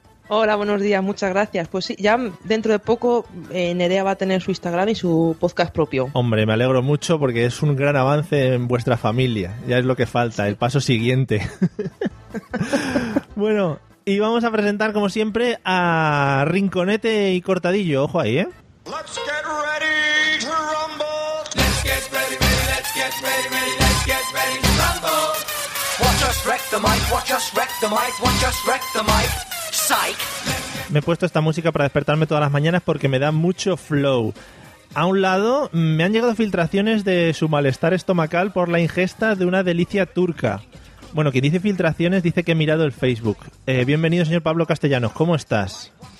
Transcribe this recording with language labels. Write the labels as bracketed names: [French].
[Spanish] Hola, buenos días, muchas gracias. Pues sí, ya dentro de poco Nerea va a tener su Instagram y su podcast propio. Hombre, me alegro mucho porque es un gran avance en vuestra familia. Ya es lo que falta, el paso siguiente. Bueno, y vamos a presentar como siempre a Rinconete y Cortadillo. Ojo ahí, ¿eh? [English] Let's get ready to rumble. Let's get ready, let's get ready, let's get ready to rumble. Watch us wreck the mic, watch us wreck the mic, watch us wreck the mic. [Spanish] Me he puesto esta música para despertarme todas las mañanas porque me da mucho flow. A un lado, me han llegado filtraciones de su malestar estomacal por la ingesta de una delicia turca. Bueno, quien dice filtraciones dice que he mirado el Facebook. Bienvenido, señor Pablo Castellanos, ¿cómo estás?